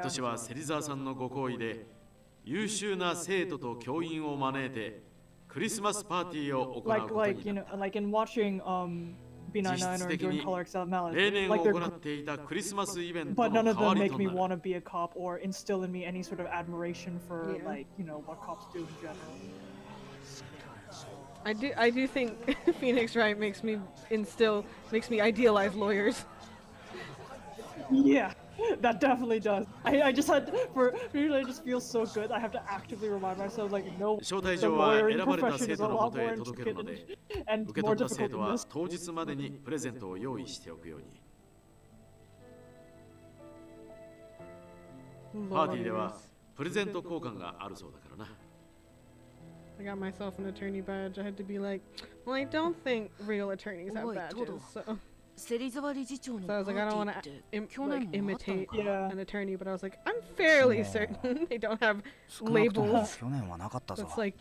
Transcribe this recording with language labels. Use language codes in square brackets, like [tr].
[ja] 年はセリザーさんのご好意で優秀な生徒と教員を招いてクリスマスパーティーを行うことになった。実質的に例年行っていたクリスマスイベントの代わりとなる。 [en] But none of them make me want to be a cop or instill in me any sort of admiration for like, you know, what cops do in general. I do think Phoenix Wright makes me idealize lawyers. Yeah, that definitely does. I just had for really I just feel so good. I have to actively remind myself like no. [ja] 招待状は選ばれた生徒のもとへ届けるので、受け取った生徒は当日までにプレゼントを用意しておくように。パーティーではプレゼント交換があるそうだからな。 [en] I got myself an attorney badge. I had to be like, well, I don't think real attorneys have badges, so... So I was like, I don't want to imitate an attorney, but I was like, I'm fairly certain they don't have labels. It's like,